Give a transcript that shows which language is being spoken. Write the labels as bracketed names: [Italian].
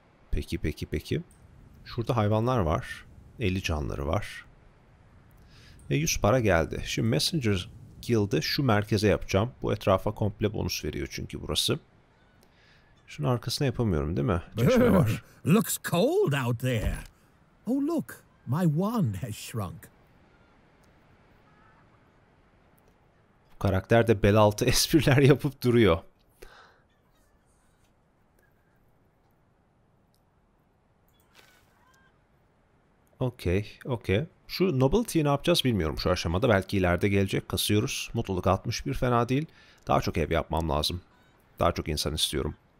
[Turkish] Peki, peki, peki. Şurada hayvanlar var. 50 canları var. Ve 100 para geldi. Şimdi Messenger Guild'ı şu merkeze yapacağım. Bu etrafa komple bonus veriyor çünkü burası. Şunun arkasına yapamıyorum değil mi? Çeşme var. [English] Looks cold out there. Oh look, my wand has shrunk. [Turkish] Bu karakter de bel altı espriler yapıp duruyor. Okey, okey. Şu Nobility'yi ne yapacağız bilmiyorum şu aşamada. Belki ileride gelecek. Kasıyoruz. Mutluluk 61 fena değil. Daha çok ev yapmam lazım. Daha çok insan istiyorum.